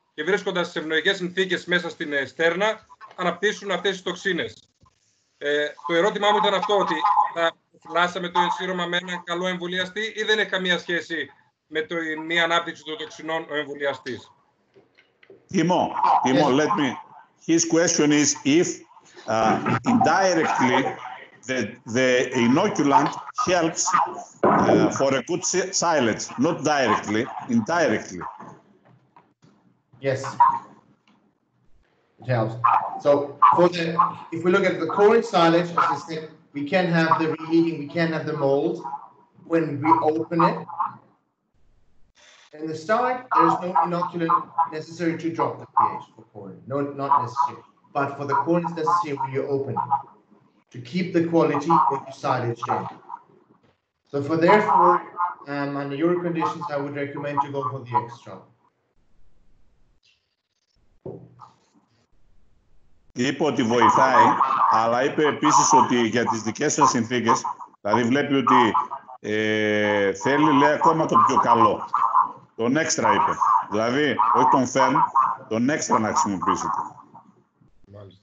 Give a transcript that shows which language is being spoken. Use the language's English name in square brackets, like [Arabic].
[Greek] Και βρίσκοντας σε ευνοϊκές συνθήκες μέσα στην στέρνα, αναπτύσσουν αυτές τις τοξίνες. Το ερώτημά μου ήταν αυτό, ότι θα φυλάσαμε το ενσύρωμα με έναν καλό εμβολιαστή ή δεν έχει καμία σχέση με μη ανάπτυξη των τοξινών ο εμβολιαστής. [English] Τιμό, let me. His question is if indirectly the inoculant helps for a good silage, not directly, indirectly. Yes, it helps. So if we look at the corn silage, as I said, we can have the reheating, we can have the mold when we open it. In the start, there is no inoculant necessary to drop the pH for corn. No, not necessary. But for the corn, it's necessary when you open it to keep the quality of your silage down. So therefore, under your conditions, I would recommend to go for the extra. [Greek] Είπε ότι βοηθάει, αλλά είπε επίσης ότι για τις δικές σας συνθήκες Δηλαδή βλέπει ότι θέλει, λέει, ακόμα το πιο καλό. Τον έξτρα, είπε. Δηλαδή, όχι τον φέρν, τον έξτρα να χρησιμοποιήσετε. Μάλιστα.